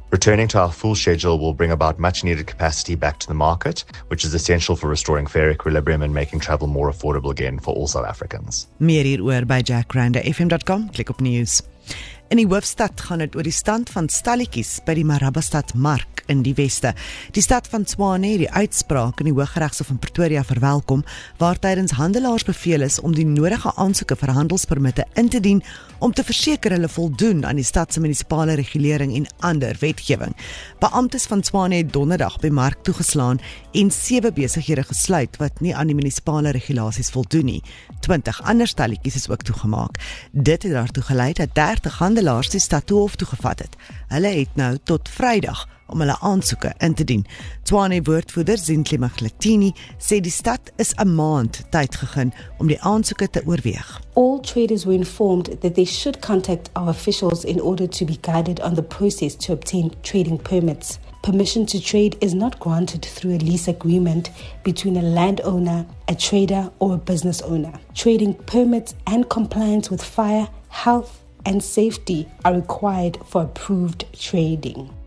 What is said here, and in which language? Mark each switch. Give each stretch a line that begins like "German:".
English: Returning to our full schedule will bring about much needed capacity back to the market, which is essential for restoring fare equilibrium and making travel more affordable again for all South Africans.
Afrikaans: Meer hieroor by jackrander.fm.com, klik op news. In die hoofstad gaan het oor die stand van stalletjies by die Marabastad Mark in die weste. Die stad van Tswane het die uitspraak in die Hooggeregshof van Pretoria verwelkom, waar tydens handelaars beveel is om die nodige aansoeke vir handelspermitte in te dien om te verseker hulle voldoen aan die stadse munisipale regulering en ander wetgewing. Beamtes van Tswane het donderdag by Mark toegeslaan en 7 besighede gesluit wat nie aan die munisipale regulasies voldoen nie. 20 ander stalletjies is ook toegemaak. Dit het daartoe gelei dat 30 handelaars die stad toe hof toegevat het. Hulle het nou tot Vrydag om hulle aansoeke in te dien. Tswane woordvoerder Zintli Magletini sê die stad is 'n maand tyd gegeen om die aansoeke te oorweeg.
English: All traders were informed that they should contact our officials in order to be guided on the process to obtain trading permits. Permission to trade is not granted through a lease agreement between a landowner, a trader or a business owner. Trading permits and compliance with fire, health and safety are required for approved trading.